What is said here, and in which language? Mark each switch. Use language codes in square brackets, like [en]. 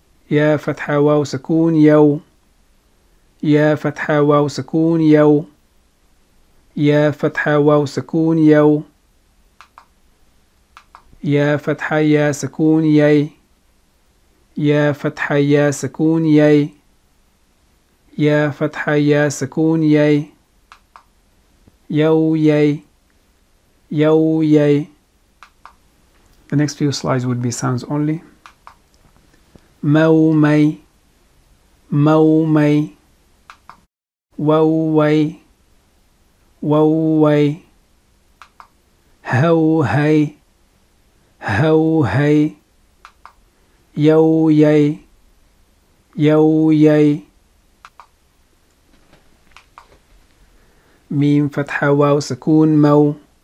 [ar] يا فتحة واو سكون يو يا فتحة واو سكون يو يا فتحة واو سكون يو يا فتحة يا سكون يي يا فتحة يا سكون يي يا فتحة يا سكون يي يو يي يو يي. [en] The next few slides would be sounds only. [ar] مو مي مو مي وو وي وو وي هو هي هو هي يو يي يو يي ميم فتحة واو سكون مو